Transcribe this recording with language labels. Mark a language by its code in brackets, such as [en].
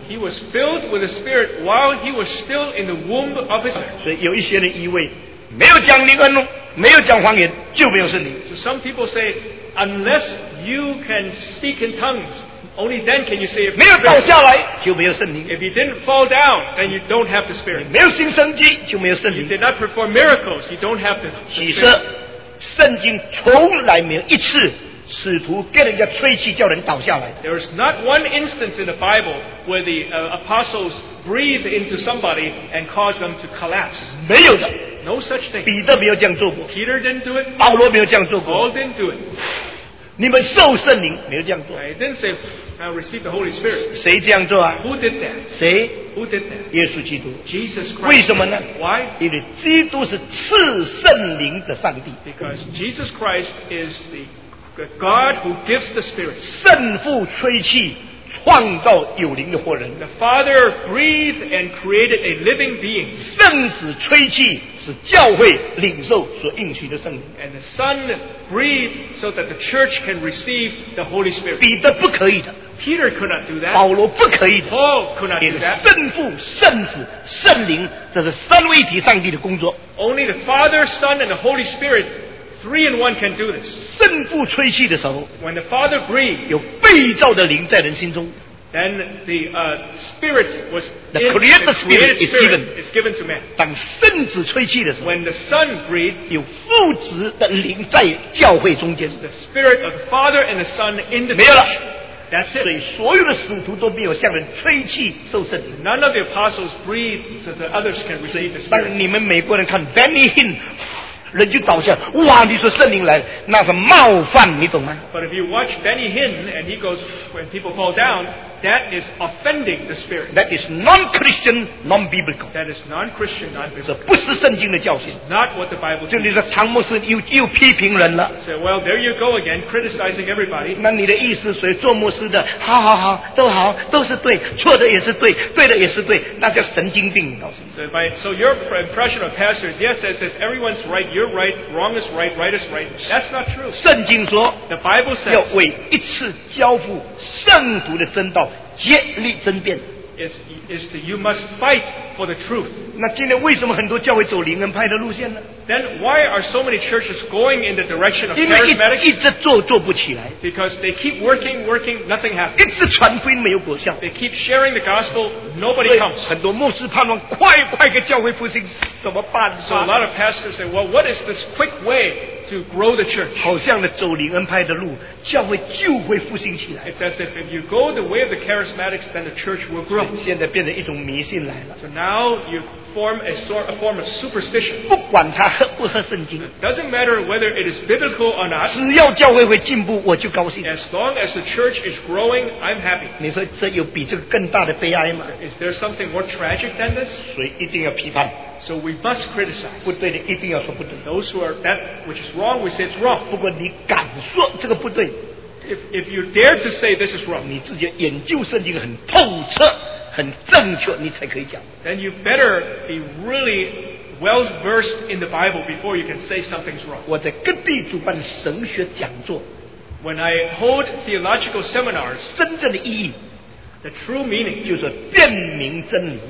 [en] He was filled with the Spirit while he was still in the womb of his mother. [zh] 所以有一些人以为没有讲灵恩，没有讲方言，就没有圣灵。 [en] So some people say, unless you can speak in tongues, only then can you say, if you didn't fall down, then you don't have the Spirit. [zh] 没有新生机, [en] you did not perform miracles, you don't have the Spirit. [zh] 其实圣经从来没有一次使徒给人家吹气叫人倒下来的。 [en] There is not one instance in the Bible where the apostles breathe into somebody and cause them to collapse. [zh] 没有的。 [en] No such thing. [zh] 彼得没有这样做过。 [en] Peter didn't do it. [zh] 保罗没有这样做过。 [en] Paul didn't do it. [zh] 你们受圣灵没有这样做。 [en] It didn't say, I received the Holy Spirit. [zh] 谁这样做啊? [en] Who did that? [zh] 谁? [en] Who did that? [zh] 耶稣基督。 [en] Jesus Christ. [zh] 为什么呢? [en] Why? [zh] 因为基督是赐圣灵的上帝。 [en] Because Jesus Christ is the God who gives the Spirit. [zh] 圣父吹气, 创造有灵的活人。 [en] The Father breathed and created a living being. [zh] 圣子吹气, 是教会领受所应许的圣灵。 [en] And the Son breathed so that the church can receive the Holy Spirit. [zh] 彼得不可以的。 [en] Peter could not do that. [zh] 保罗不可以的。 [en] Paul could not do that. [zh] 圣父, 圣子, 圣灵, 这是三位一体上帝的工作。 [en] Only the Father, Son, and the Holy Spirit, three in one can do this. [zh] 圣父吹气的时候, [en] when the Father breathed, [zh] 有被造的灵在人心中, [en] then the Spirit was the created Spirit is given to man. [zh] 当圣子吹气的时候, [en] when the Son breathed, [zh] 有父子的灵在教会中间, [en] the Spirit of the Father and the Son in the church. That's it. [zh] 所以所有的使徒都没有向人吹气受圣灵。 [en] None of the apostles breathed so that others can receive the Spirit. [zh] 当你们美国人看 Benny Hinn, 人就倒下,哇,你说圣灵来,那是冒犯,你懂吗? [en] But if you watch Benny Hinn, and he goes, when people fall down, That is offending the spirit. That is non-Christian, non-biblical. That is non-Christian, non-biblical. [zh] 不是圣经的教训. [en] It's not what the Bible teaches. [zh] 这里的唐牧师又批评人了. [en] So, well, there you go again, criticizing everybody. [zh] 那你的意思，谁做牧师的？好好好，都好， 都是对， 错的也是对， 对的也是对， 那叫神经病， 告诉你。 [en] So your impression of pastors, yes, it says everyone's right, you're right, wrong is right, right is right. That's not true. [zh] 圣经说, [en] the Bible says, [zh] 要为一次交付圣徒的真道, [en] is to you must fight for the truth. [zh] 那今天为什么很多教会走灵恩派的路线呢？ [en] Then why are so many churches going in the direction of charismatics? Because they keep working, nothing happens. They keep sharing the gospel, nobody comes. So a lot of pastors say, well, what is this quick way to grow the church? It's as if you go the way of the charismatics, then the church will grow. So now you form a form of superstition. It doesn't matter whether it is biblical or not. [zh] 只要教会会进步, [en] as long as the church is growing, I'm happy. [zh] 你说这有比这个更大的悲哀吗？ [en] Is there something more tragic than this? [zh] 所以一定要批判。 [en] So we must criticize. [zh] 不对的一定要说不对。 [en] Those who are that which is wrong, we say it's wrong. [zh] 不过你敢说这个不对。 [en] If you dare to say this is wrong, [zh] 你自己研究圣经很透彻。很正确, [en] then you better be really well versed in the Bible before you can say something's wrong. When I hold theological seminars, [zh] 真正的意义, [en] the true meaning, [zh] 就是辨明真理,